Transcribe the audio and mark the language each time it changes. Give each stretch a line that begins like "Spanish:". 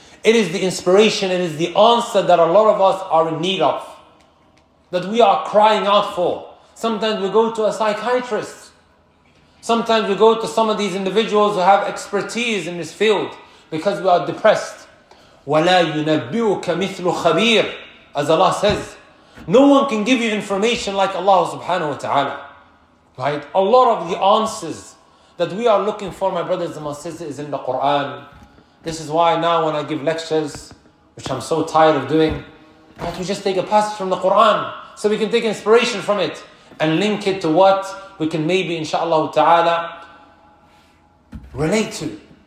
English: It is the inspiration, it is the answer that a lot of us are in need of, that we are crying out for. Sometimes we go to a psychiatrist. Sometimes we go to some of these individuals who have expertise in this field because we are depressed.
Arabic: وَلَا يُنَبِّئُكَ مِثْلُ خَبِيرٍ,
English: as Allah says. No one can give you information like Allah subhanahu wa ta'ala. Right? A lot of the answers that we are looking for, my brothers and my sisters, is in the Quran. This is why now when I give lectures, which I'm so tired of doing, right, we just take a passage from the Quran so we can take inspiration from it and link it to what we can maybe, inshallah ta'ala, relate to.